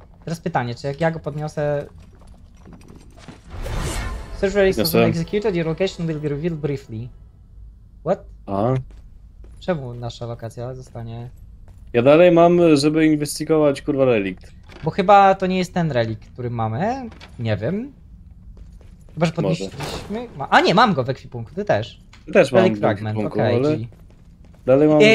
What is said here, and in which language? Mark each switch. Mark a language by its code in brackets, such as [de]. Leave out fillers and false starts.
[pl] Teraz pytanie, czy jak ja go podniosę... [en] Search relics have been executed, your location will be revealed briefly. What? A? [pl] Czemu nasza lokacja zostanie... Ja dalej mam, żeby inwestigować kurwa relikt. Bo chyba to nie jest ten relikt, który mamy. Nie wiem. Chyba, że podnieśliśmy... A nie, mam go w ekwipunku, ty też. Ty też relikt mam fragment. W ekwipunku, okay, ale... Dalej mam,